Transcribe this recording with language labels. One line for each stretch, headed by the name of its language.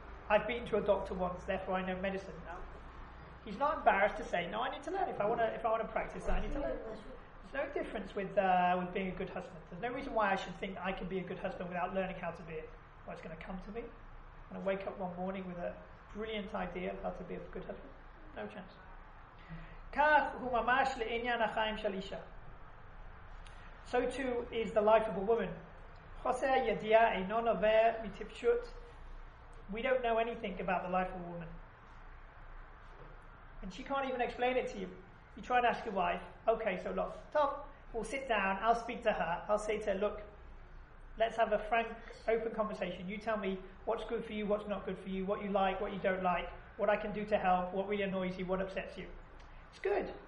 English: I've been to a doctor once, therefore I know medicine now. He's not embarrassed to say, no, I need to learn. If I want to practice, I need to learn. There's no difference with being a good husband. There's no reason why I should think I can be a good husband without learning how to be it. Well, it's going to come to me. I'm going to wake up one morning with a brilliant idea of how to be a good husband. No chance.
Hebrew: כך הוא ממש לעניין החיים של אישה.
English: So too is the life of a woman.
Hebrew: חוסר ידיעה אינו נובע מטיפשות.
English: We don't know anything about the life of a woman. And she can't even explain it to you. You try and ask your wife, okay, so look, top, we'll sit down, I'll speak to her, I'll say to her, look, let's have a frank, open conversation. You tell me what's good for you, what's not good for you, what you like, what you don't like, what I can do to help, what really annoys you, what upsets you. It's good.